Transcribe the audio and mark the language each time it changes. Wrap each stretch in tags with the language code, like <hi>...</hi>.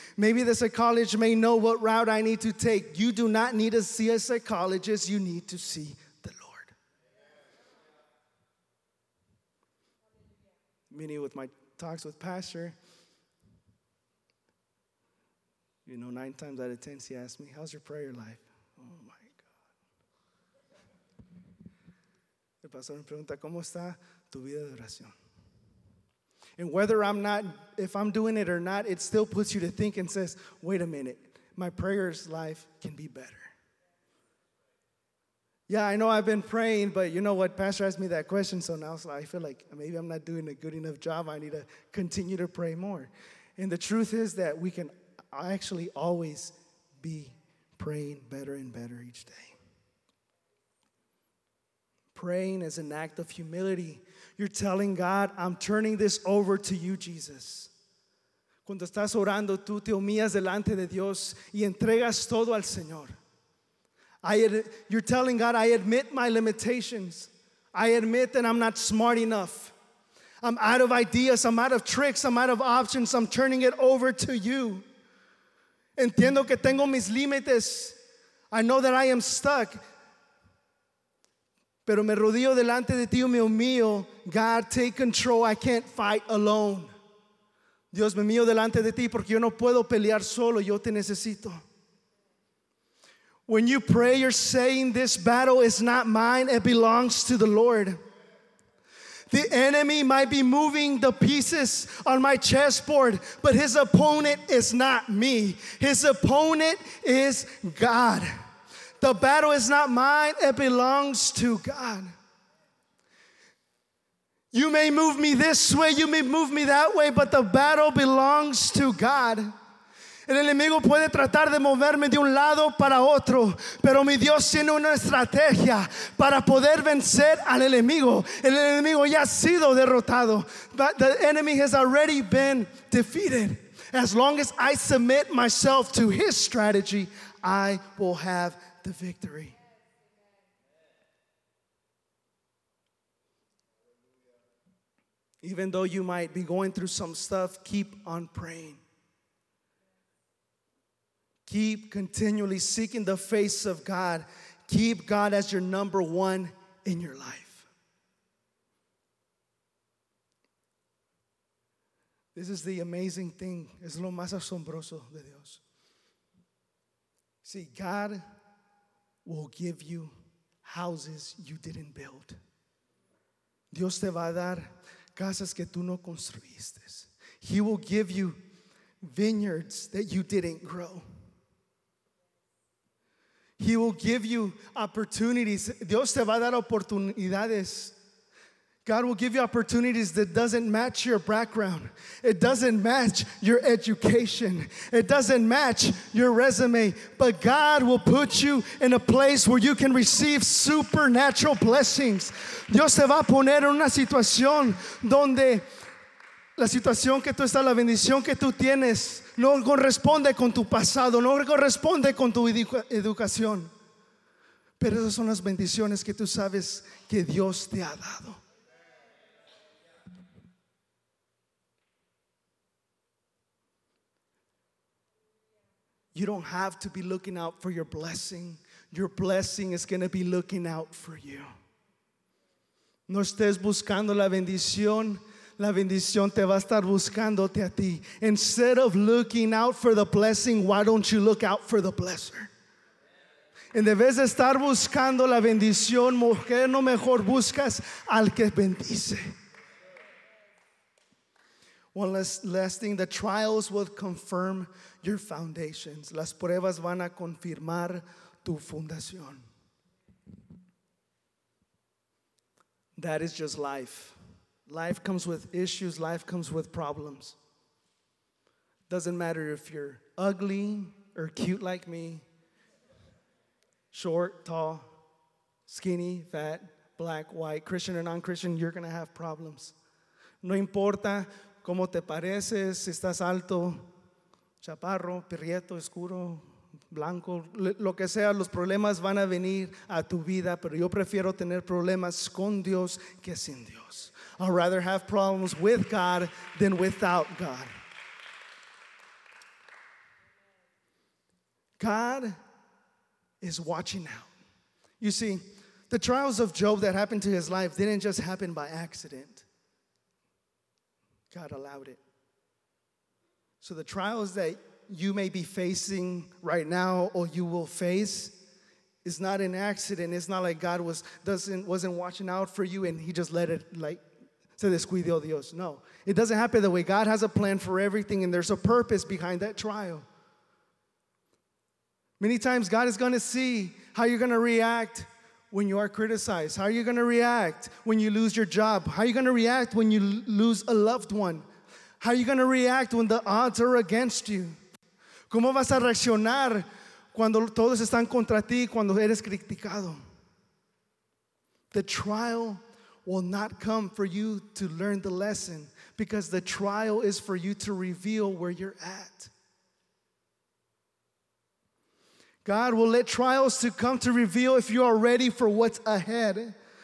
<en>Maybe the psychologist may know what route I need to take. You do not need to see a psychologist. You need to see many with my talks with pastor, you know, 9 times out of 10, she asks me, how's your prayer life? Oh, my God.</en> <es>El pastor me pregunta, ¿cómo está tu vida de oración?</es> <en>And whether I'm not, if I'm doing it or not, it still puts you to think and says, wait a minute, my prayer's life can be better. Yeah, I know I've been praying, but you know what? Pastor asked me that question, so now I feel like maybe I'm not doing a good enough job. I need to continue to pray more. And the truth is that we can actually always be praying better and better each day. Praying is an act of humility. You're telling God, I'm turning this over to you, Jesus.</en> <es>Cuando estás orando, tú te humillas delante de Dios y entregas todo al Señor.</es> <en>You're telling God, I admit my limitations. I admit that I'm not smart enough. I'm out of ideas. I'm out of tricks. I'm out of options. I'm turning it over to you.</en> <es>Entiendo que tengo mis límites.</es> <en>I know that I am stuck.</en> <es>Pero me rodeo delante de ti, me humillo.</es> <en>God, take control. I can't fight alone.</en> <es>Dios, me humillo delante de ti porque yo no puedo pelear solo. Yo te necesito.</es> <en>When you pray, you're saying, this battle is not mine. It belongs to the Lord. The enemy might be moving the pieces on my chessboard, but his opponent is not me. His opponent is God. The battle is not mine. It belongs to God. You may move me this way. You may move me that way, but the battle belongs to God.</en> <es>El enemigo puede tratar de moverme de un lado para otro, pero mi Dios tiene una estrategia para poder vencer al enemigo. El enemigo ya ha sido derrotado.</es> <en>But the enemy has already been defeated. As long as I submit myself to his strategy, I will have the victory. Even though you might be going through some stuff, keep on praying. Keep continually seeking the face of God. Keep God as your number one in your life. This is the amazing thing.</en> <es>Es lo más asombroso de Dios.</es> <en>See, God will give you houses you didn't build.</en> <es>Dios te va a dar casas que tú no construiste.</es> <en>He will give you vineyards that you didn't grow. He will give you opportunities.</en> <es>Dios te va a dar oportunidades.</es> <en>God will give you opportunities that doesn't match your background. It doesn't match your education. It doesn't match your resume. But God will put you in a place where you can receive supernatural blessings.</en> <es>Dios te va a poner en una situación donde la situación que tú estás, la bendición que tú tienes, no corresponde con tu pasado, no corresponde con tu educación. Pero esas son las bendiciones que tú sabes que Dios te ha dado.</es> <en>You don't have to be looking out for your blessing. Your blessing is going to be looking out for you.</en> <es>No estés buscando la bendición. La bendición te va a estar buscándote a ti.</es> <en>Instead of looking out for the blessing, why don't you look out for the blesser?</en> <es>En vez de estar buscando la bendición, mujer, no mejor buscas al que bendice.</es> <en>One last thing, the trials will confirm your foundations.</en> <es>Las pruebas van a confirmar tu fundación.</es> <en>That is just life. Life comes with issues. Life comes with problems. Doesn't matter if you're ugly or cute like me, short, tall, skinny, fat, black, white, Christian or non-Christian, you're going to have problems.</en> <es>No importa cómo te pareces, si estás alto, chaparro, prieto, oscuro, blanco, lo que sea, los problemas van a venir a tu vida, pero yo prefiero tener problemas con Dios que sin Dios.</es> <en>I'd rather have problems with God than without God. God is watching out. You see, the trials of Job that happened to his life didn't just happen by accident. God allowed it. So the trials that you may be facing right now or you will face, it's not an accident. It's not like God wasn't watching out for you and he just let it, like,</en> <es>se descuidó Dios.</es> <en>No, it doesn't happen that way. God has a plan for everything and there's a purpose behind that trial. Many times God is going to see how you're going to react when you are criticized. How are you going to react when you lose your job? How are you going to react when you lose a loved one? How are you going to react when the odds are against you?</en> <es>¿Cómo vas a reaccionar cuando todos están contra ti, cuando eres criticado?</es> <en>The trial will not come for you to learn the lesson, because the trial is for you to reveal where you're at. God will let trials to come to reveal if you are ready for what's ahead.</en>